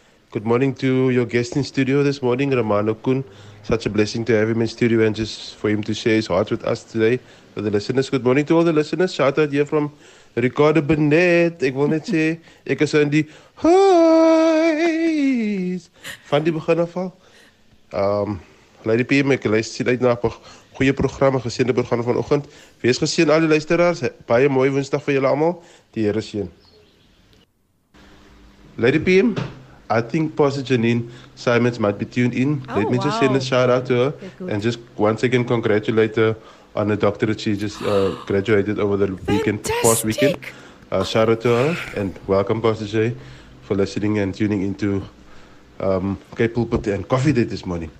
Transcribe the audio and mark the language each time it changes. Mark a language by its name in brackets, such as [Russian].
[English] Good morning to your guest in studio this morning, Romano Koen. Such a blessing to have him in studio and just for him to share his heart with us today, with the listeners. Good morning to all the listeners. Shout out here from Ricardo Benet. [Afrikaans] Ek wil net sê, ek is in die huis van die begin af al. Lady PM, ek luister uit na goeie programme, geseënde programme vanoggend. Wees geseën al die luisteraars. Baie mooi woensdag vir julle allemaal. Die Here seën. [English] Lady PM, I think Pastor Janine Simons might be tuned in. Oh, let me just send a shout out to her. And just once again congratulate her on the doctorate she just graduated over the weekend, past weekend. Shout out to her and welcome Pastor Jay for listening and tuning into K-Pulpit and Coffee Date this morning.